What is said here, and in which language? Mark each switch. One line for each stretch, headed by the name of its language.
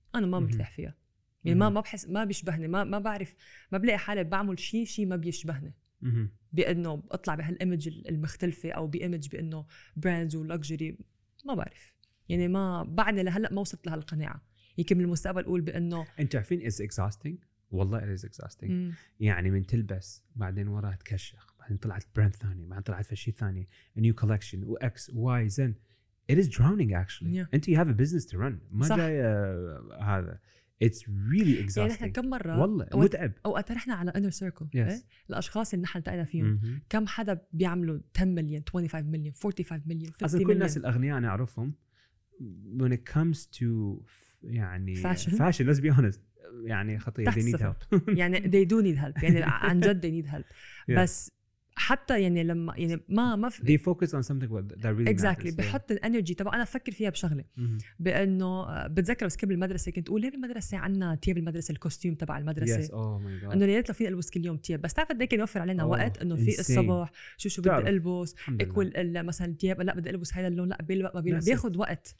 Arabic: انا ما مرتاح فيها يعني ما بحس ما بيشبهني ما بعرف ما بلاقي حالي بعمل شيء ما بيشبهني بانه اطلع بهالايمج المختلفه او بايمج بانه براندز ولوكسجري ما بعرف يعني ما بعدني لهلا ما وصلت لهالقناعه. يمكن بالمستقبل اقول بانه انت عارفين
English: is exciting
Arabic: والله از اكزاستينج يعني من تلبس بعدين وراها تكشخ بعدين طلعت براند ثاني بعدين طلعت في شيء ثاني
English: new collection
Arabic: واكس واي زد.
English: It is drowning actually. Yeah. And you have a business to run.
Arabic: ما جاي هذا.
English: It's really exhausting.
Arabic: يعني احنا كم مرة والله متعب. أوقات رحنا على
English: inner circle. Yes.
Arabic: الأشخاص اللي نحن التقينا فيهم. كم حدا بيعملوا 10 مليون 25 مليون 45 مليون 50 مليون. أصلا كل الناس الأغنياء أنا أعرفهم.
English: When it comes to يعني fashion let's be honest.
Arabic: يعني خطير
English: they need help. يعني they do need help. يعني عن جد they need help. بس
Arabic: حتى يعني لما يعني ما في
English: they focus on something that really matters.
Arabic: Exactly. بحط الانرجي طبعا. انا افكر فيها بشغله بانه بتذكر بس قبل المدرسه كنت اقول ليه بالمدرسه عندنا تياب المدرسه الكوستيوم تبع المدرسه انه ليت لو فينا البس كل يوم تياب بس تعرف قد ايه كان يوفر علينا وقت انه في الصباح شو بدي البس اكل مثلا تياب لا بدي البس هذا اللون لا بيلبق ما بيلبق بياخذ وقت